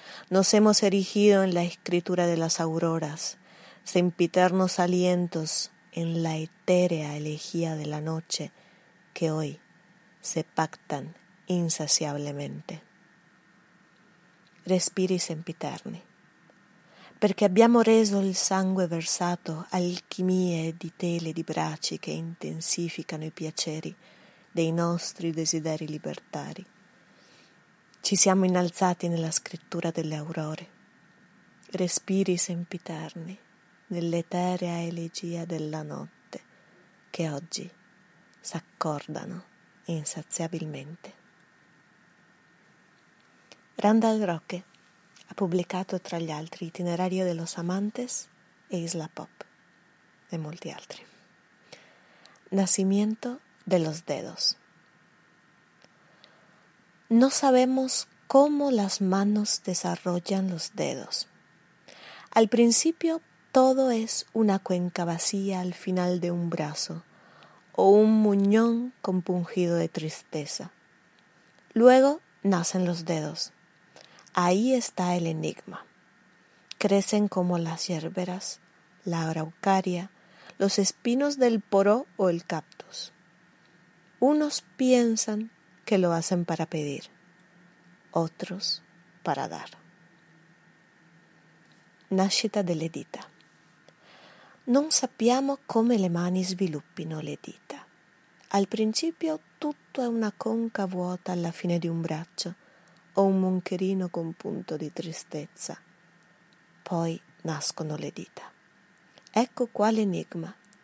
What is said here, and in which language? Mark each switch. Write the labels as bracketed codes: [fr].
[es] Nos hemos erigido en la escritura de las auroras, sempiternos alientos en la etérea elegía de la noche que hoy se pactan insaciablemente. [it] Respiri sempiterni. Perché abbiamo reso il sangue versato alchimie di tele di braci che intensificano i piaceri dei nostri desideri libertari. Ci siamo innalzati nella scrittura delle aurore. Respiri sempiterni nell'eterea elegia della notte che oggi s'accordano insaziabilmente. Randall Roque ha pubblicato tra gli altri Itinerario de los Amantes e Isla Pop e molti altri. [es] Nacimiento de los dedos. No sabemos cómo las manos desarrollan los dedos. Al principio todo es una cuenca vacía al final de un brazo o un muñón compungido de tristeza. Luego nacen los dedos. Ahí está el enigma. Crecen como las yerberas, la araucaria, los espinos del poró o el cactus. Unos piensan que lo hacen para pedir, otros para dar. [it] Nascita delle dita. Non sappiamo come le mani sviluppino le dita. Al principio tutto è una conca vuota alla fine di un braccio, o un moncherino con punto di tristezza. Poi nascono le dita. Ecco qua l'enigma.